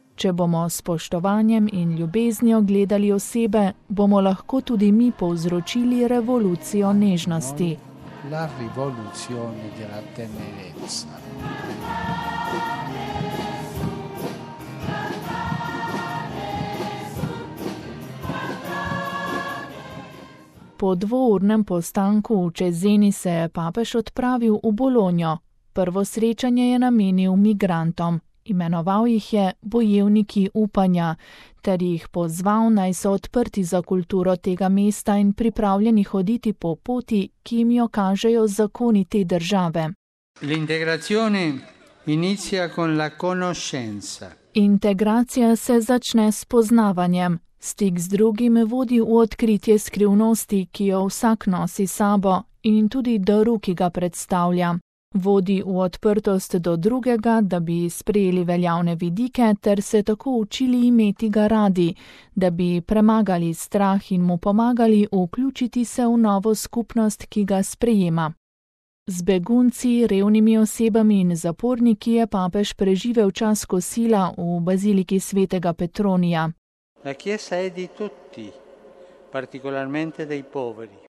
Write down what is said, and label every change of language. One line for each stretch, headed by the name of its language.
Slovenian: Če bomo s spoštovanjem in ljubeznijo gledali osebe, bomo lahko tudi mi povzročili revolucijo nežnosti.
Italian: La rivoluzione della tenerezza.
Slovenian: Po dvournem postanku v Čezeni se je papež odpravil v Bolonjo. Prvo srečanje je namenil migrantom. Imenoval jih je bojevniki upanja, ter jih pozval, naj so odprti za kulturo tega mesta in pripravljeni hoditi po poti, ki jim jo kažejo zakoni te države.
Italian: L'integrazione inizia con la conoscenza.
Slovenian: Integracija se začne s poznavanjem. Stik z drugim vodi v odkritje skrivnosti, ki jo vsak nosi sabo in tudi daru, ki ga predstavlja. Vodi v odprtost do drugega, da bi sprejeli veljavne vidike ter se tako učili imeti ga radi, da bi premagali strah in mu pomagali vključiti se v novo skupnost, ki ga sprejema. Z begunci, revnimi osebami in zaporniki je papež preživel čas kosila v baziliki svetega Petronija.
Italian: La chiesa è di tutti, particolarmente dei poveri.